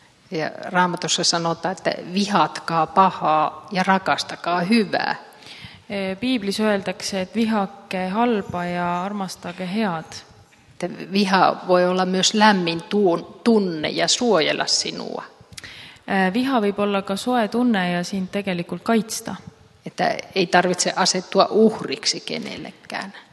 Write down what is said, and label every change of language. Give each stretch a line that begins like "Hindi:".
Finnish: Ja Raamatussa sanotaan, että vihatkaa pahaa ja rakastakaa hyvää.
Estonian: Piiblis öeldakse, et vihake halba ja armastage head.
Finnish: Viha voi olla myös lämmin tunne ja suojella sinua.
Estonian: Viha võib olla ka soe tunne ja sind tegelikult kaitsta.
Finnish: Että ei tarvitse asettua uhriksi kenellekään.